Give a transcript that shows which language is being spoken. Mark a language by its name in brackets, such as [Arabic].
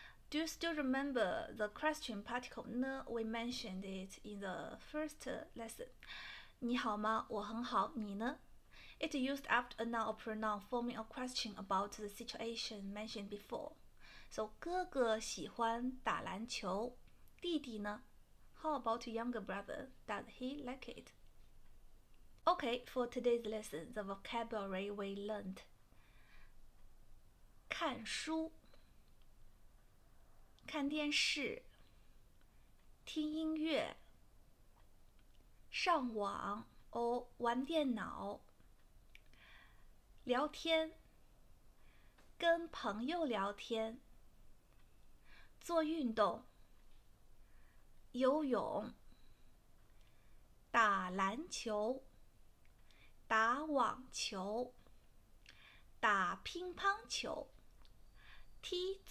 [English] Do you still remember the question particle 呢? We mentioned it in the first lesson. [Chinese] 你好吗? 我很好, 你呢? [English] It used after a noun or pronoun forming a question about the situation mentioned before. [Chinese] So 哥哥喜欢打篮球, 弟弟呢? [English] How about younger brother? Does he like it? Okay, for today's lesson, the vocabulary we learned. [Chinese] 看书, 看电视, 听音乐, 上网, or 玩电脑, 聊天, 跟朋友聊天, 做运动, 游泳, 打篮球, 打网球, 打乒乓球, 踢足球,